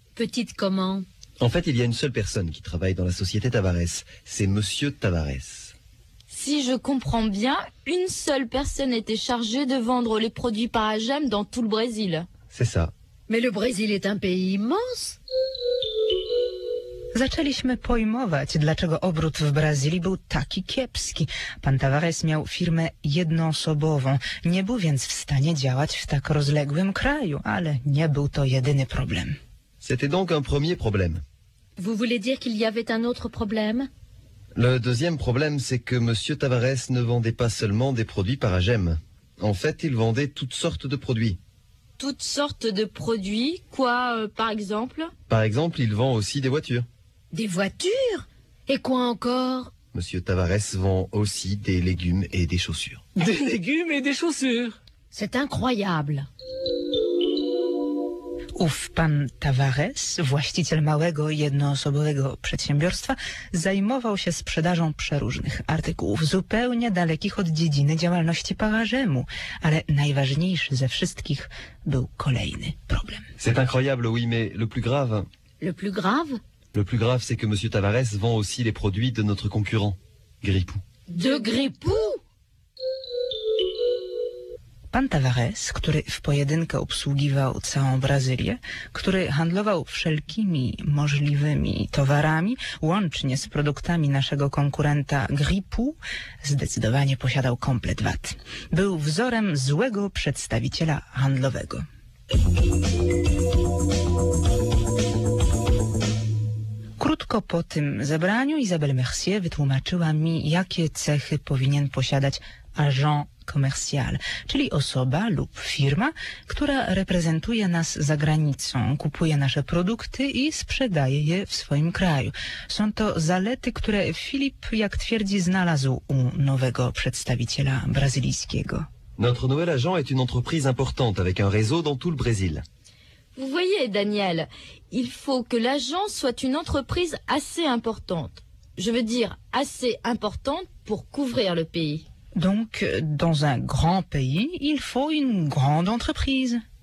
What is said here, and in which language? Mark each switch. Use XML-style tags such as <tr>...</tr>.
<fr>Petite comment ? En fait, il y a une seule personne qui travaille dans la société Tavares. C'est Monsieur Tavares. Si je comprends bien, une seule personne était chargée de vendre les produits Paragem dans tout le Brésil. C'est ça. Mais le Brésil est un pays immense.</fr> <pl>Zaczęliśmy pojmować, dlaczego obrót w Brazylii był taki kiepski. Pan Tavares miał firmę jednoosobową, nie był więc w stanie działać w tak rozległym kraju, ale nie był to jedyny problem.</pl> <fr>C'était donc un premier problème. Vous voulez dire qu'il y avait un autre problème? Le deuxième problème, c'est que Monsieur Tavares ne vendait pas seulement des produits Paragem. En fait, il vendait toutes sortes de produits. Toutes sortes de produits, quoi, par exemple? Par exemple, il vend aussi des voitures. Des voitures? Et quoi encore? Monsieur Tavares vend aussi des légumes et des chaussures. Des légumes et des chaussures? C'est incroyable!</fr> <pl>Ów pan Tavares, właściciel małego, jednoosobowego przedsiębiorstwa, zajmował się sprzedażą przeróżnych artykułów, zupełnie dalekich od dziedziny działalności Paragemu. Ale najważniejszy ze wszystkich był kolejny problem.</pl> <fr>C'est incroyable, oui, mais le plus grave... Le plus grave? Le plus grave, c'est que Monsieur Tavares vend aussi les produits de notre concurrent, Gripou. De Gripou?</fr> <pl>Pan Tavares, który w pojedynkę obsługiwał całą Brazylię, który handlował wszelkimi możliwymi towarami, łącznie z produktami naszego konkurenta Gripu, zdecydowanie posiadał komplet wad. Był wzorem złego przedstawiciela handlowego. Krótko po tym zebraniu Isabelle Mercier wytłumaczyła mi, jakie cechy powinien posiadać agent commercial, czyli osoba lub firma, która reprezentuje nas za granicą, kupuje nasze produkty i sprzedaje je w swoim kraju. Są to zalety, które Filip, jak twierdzi, znalazł u nowego przedstawiciela brazylijskiego.</pl> <fr>Notre nouvel agent est une entreprise importante avec un réseau dans tout le Brésil. Vous voyez, Daniel, il faut que l'agent soit une entreprise assez importante. Je veux dire assez importante pour couvrir le pays. Donc, dans un grand pays, il faut une grande entreprise.</fr>